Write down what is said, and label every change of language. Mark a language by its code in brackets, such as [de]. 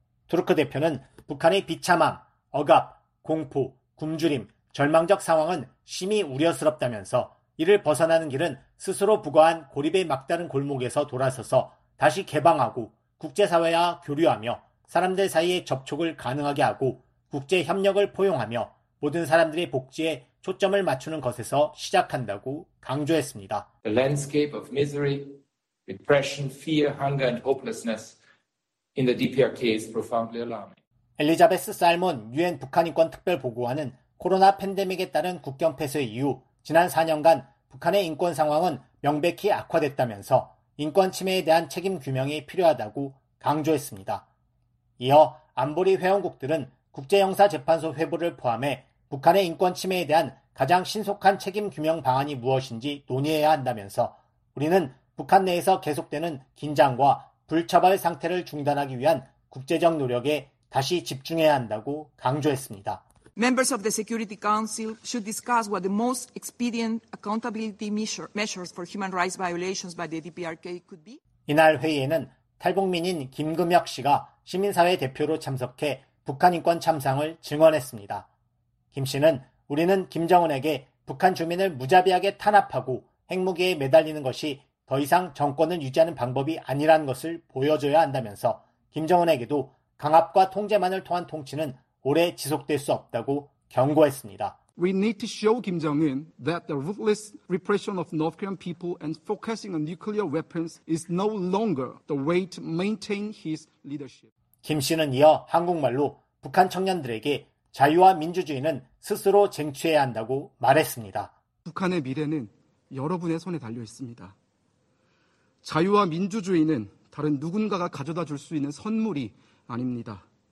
[ko] 투르크 대표는 북한의 비참함, 억압, 공포, 굶주림, 절망적 상황은 심히 우려스럽다면서 이를 벗어나는 길은 스스로 부과한 고립의 막다른 골목에서 돌아서서 다시 개방하고 국제사회와 교류하며 사람들 사이의 접촉을 가능하게 하고 국제협력을 포용하며 모든 사람들의 복지에 초점을 맞추는 것에서 시작한다고 강조했습니다. [en] The landscape of misery, depression, fear, hunger and hopelessness in the DPRK is profoundly alarming. [ko] 엘리자베스 살몬 유엔 북한인권특별보고관은 코로나 팬데믹에 따른 국경 폐쇄 이후 지난 4년간 북한의 인권 상황은 명백히 악화됐다면서 인권 침해에 대한 책임 규명이 필요하다고 강조했습니다. 이어 안보리 회원국들은 국제형사재판소 회부를 포함해 북한의 인권 침해에 대한 가장 신속한 책임 규명 방안이 무엇인지 논의해야 한다면서 우리는 북한 내에서 계속되는 긴장과 불처벌 상태를 중단하기 위한 국제적 노력에 다시 집중해야 한다고 강조했습니다. [en] Members of the Security Council should discuss what the most expedient accountability measures for human rights violations by the DPRK could be. [ko] 이날 회의에는 탈북민인 김금혁 씨가 시민사회 대표로 참석해 북한 인권 참상을 증언했습니다. 김 씨는 우리는 김정은에게 북한 주민을 무자비하게 탄압하고 핵무기에 매달리는 것이 더 이상 정권을 유지하는 방법이 아니라는 것을 보여줘야 한다면서 김정은에게도 강압과 통제만을 통한 통치는 오래 지속될 수 없다고 경고했습니다. [en] We need to show Kim Jong-un that the ruthless repression of North Korean people and focusing on nuclear weapons is no longer the way to maintain his leadership. [ko] 김 씨는 이어 한국말로 북한 청년들에게 자유와 민주주의는 스스로 쟁취해야 한다고 말했습니다. 북한의 미래는 여러분의 손에 달려 있습니다. 자유와 민주주의는 다른 누군가가 가져다 줄 수 있는 선물이 아닙니다.